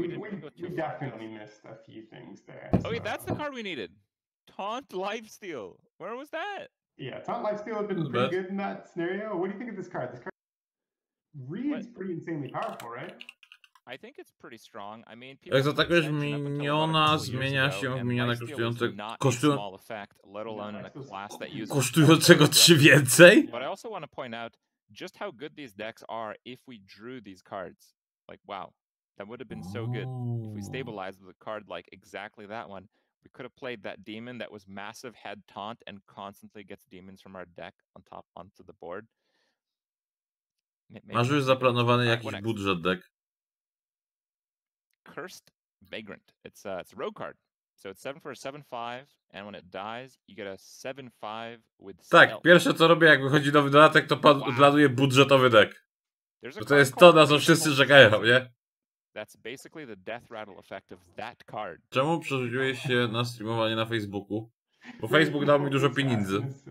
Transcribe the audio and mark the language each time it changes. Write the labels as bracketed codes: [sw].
[en] we definitely missed a few things there. Okay, so that's the card we needed. Taunt Lifesteal. Where was that? Yeah, Taunt Lifesteal would have been pretty good in that scenario. What do you think of this card? This card reads pretty insanely powerful, right? I think it's pretty strong. I mean, [pl] jak zaatakujesz miniona, zmienia się w miniona kosztującego 3 więcej. [en] But I also want to point out just how good these decks are if we drew these cards. Like, wow, that would have been so good. If we stabilized with a card like exactly that one, we could have played that demon that was massive head taunt and constantly gets demons from our deck on top onto the board. [pl] Masz już zaplanowany jakiś budżet deck? [en] Cursed Vagrant. It's a rogue card. So it's 7 for a 7-5, and when it dies, you get a 7-5 with stealth. [pl] Tak, pierwsze co robię, jak wychodzi nowy dodatek, to planuję budżetowy deck. Bo to jest to, na co wszyscy czekają, nie? [en] That's basically the death rattle effect of that card. [pl] Czemu przerzuciłeś się na streamowanie na Facebooku? Bo Facebook dał mi dużo pieniędzy.